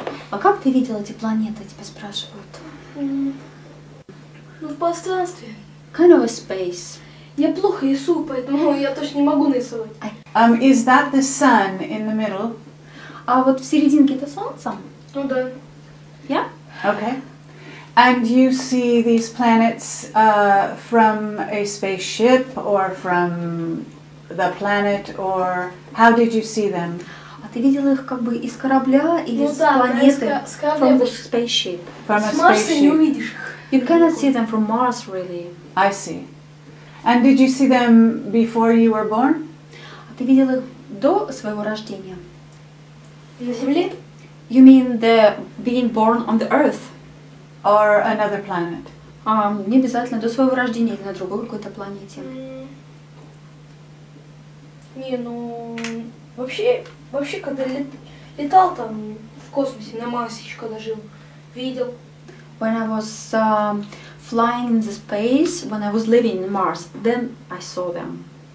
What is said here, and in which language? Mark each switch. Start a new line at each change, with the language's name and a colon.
Russian: А как ты видел эти планеты? Тебя спрашивают. Ну, в пространстве.
English: Kind of a space.
Russian: Я плохо рисую, поэтому я точно не могу нарисовать.
English: Is that the sun in the middle?
Russian: А вот в серединке это солнце? Ну да.
English: Yeah? Okay. And you see these planets from a spaceship or from the planet or how did you see them?
Russian: А ты видел их как бы из корабля или с планеты?
English: From the spaceship. From a spaceship.
Russian: С Марса не увидишь их.
English: You cannot see them from Mars, really. I see. And did you see them before you were born?
Russian: А ты видел их до своего рождения? На Земле?
English: You mean the being born on the Earth? Or another planet?
Russian: Не обязательно до своего рождения или на другой какой-то планете. Не, ну вообще когда летал там в космосе на Марсе, когда жил, видел.
English: When I was flying in the space, when I was living in Mars, then I saw them.